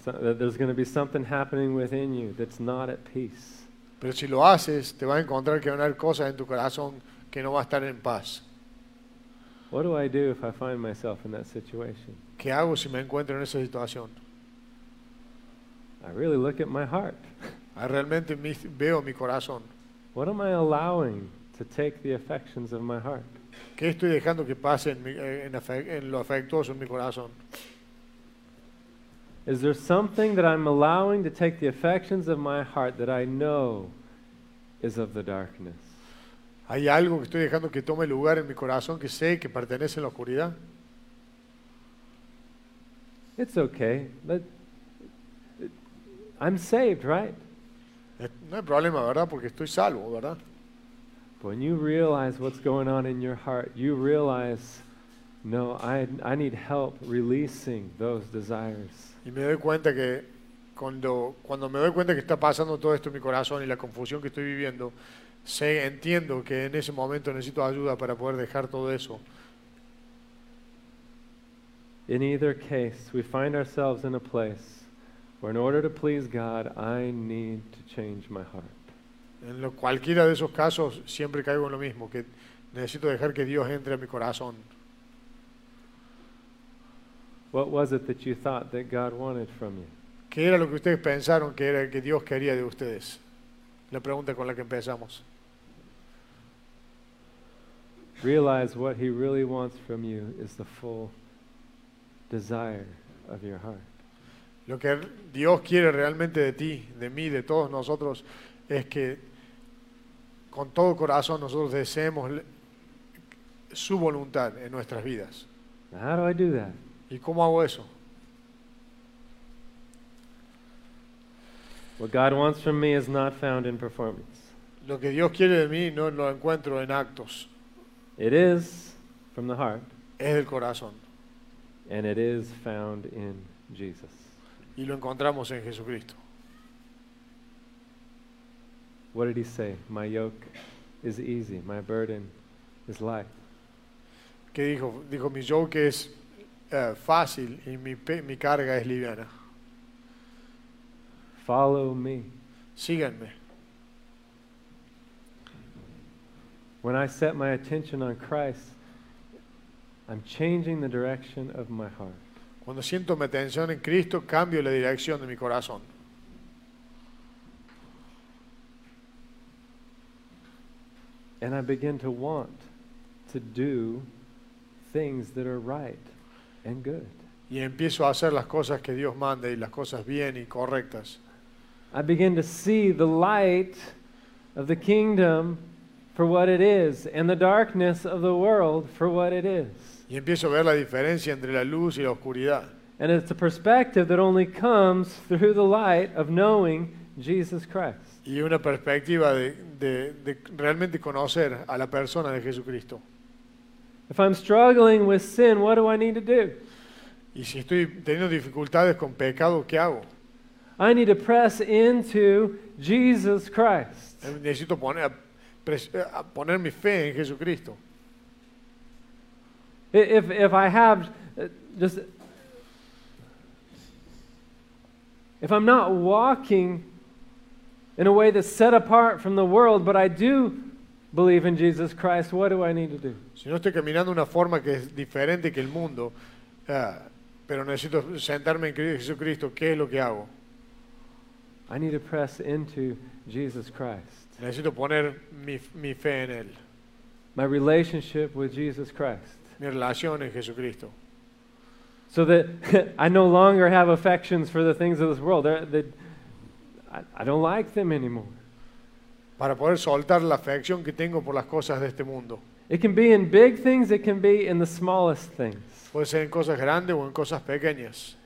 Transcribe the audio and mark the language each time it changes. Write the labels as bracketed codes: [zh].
[en] There's going to be something happening within you that's not at peace. [es] Pero si lo haces, te vas a encontrar que van a haber cosas en tu corazón que no va a estar en paz. [en] What do I do if I find myself in that situation? [es] ¿Qué hago si me encuentro en esa situación? [en] I really look at my heart. [es] I realmente veo mi corazón. [en] What am I allowing to take the affections of my heart? [es] ¿Qué estoy dejando que pase en lo afectuoso en mi corazón? [en] Is there something that I'm allowing to take the affections of my heart that I know is of the darkness? [es] ¿Hay algo que estoy dejando que tome lugar en mi corazón que sé que pertenece a la oscuridad? [en] It's okay, but I'm saved, right? [es] No hay problema, ¿verdad? Porque estoy salvo, ¿verdad? [en] But when you realize what's going on in your heart, you realize, no, I need help releasing those desires. [es] Y me doy cuenta que cuando me doy cuenta que está pasando todo esto en mi corazón y la confusión que estoy viviendo, entiendo que en ese momento necesito ayuda para poder dejar todo eso. [en] In either case, we find ourselves in a place where in order to please God, I need to change my heart. [es] En cualquiera de esos casos, siempre caigo en lo mismo, que necesito dejar que Dios entre a mi corazón. [en] What was it that you thought that God wanted from you? [es] ¿Qué era lo que ustedes pensaron que era que Dios quería de ustedes? La pregunta con la que empezamos. [en] Realize what He really wants from you is the full desire of your heart. [es] Lo que Dios quiere realmente de ti, de mí, de todos nosotros, es que con todo corazón nosotros deseemos su voluntad en nuestras vidas. [en] Now, how do I do that? [es] ¿Y cómo hago eso? [en] What God wants from me is not found in performance. [es] Lo que Dios quiere de mí no lo encuentro en actos. [en] It is from the heart. [es] Es del corazón. [en] And it is found in Jesus. [es] Y lo encontramos en Jesucristo. [en] What did He say? My yoke is easy. My burden is light. [es] ¿Qué dijo? Dijo, mi yoke es fácil y mi carga es liviana. [en] Follow me. [es] Síganme. [en] When I set my attention on Christ, I'm changing the direction of my heart. [es] Cuando siento mi atención en Cristo, cambio la dirección de mi corazón. [en] And I begin to want to do things that are right and good. [es] Y empiezo a hacer las cosas que Dios manda y las cosas bien y correctas. [en] I begin to see the light of the kingdom for what it is and the darkness of the world for what it is. [es] Y empiezo a ver la diferencia entre la luz y la oscuridad. [en] And it's a perspective that only comes through the light of knowing Jesus Christ. [es] Y una perspectiva de realmente conocer a la persona de Jesucristo. [en] If I'm struggling with sin, what do I need to do? [es] Y si estoy teniendo dificultades con pecado, ¿qué hago? [en] I need to press into Jesus Christ. [es] Necesito poner mi fe en Jesucristo. [en] If I'm not walking in a way that's set apart from the world, but I do believe in Jesus Christ, what do I need to do? [es] Si no estoy caminando una forma que es diferente que el mundo, pero necesito sentarme en Jesucristo, ¿qué es lo que hago? [en] I need to press into Jesus Christ. [es] Necesito poner mi fe en él. [en] My relationship with Jesus Christ. [es] Mi relación en Jesucristo. [en] So that I no longer have affections for the things of this world. I don't like them anymore. [es] Para poder soltar la afección que tengo por las cosas de este mundo. [en] It can be in big things, it can be in the smallest things. [es] Puede ser en cosas grandes o en cosas pequeñas.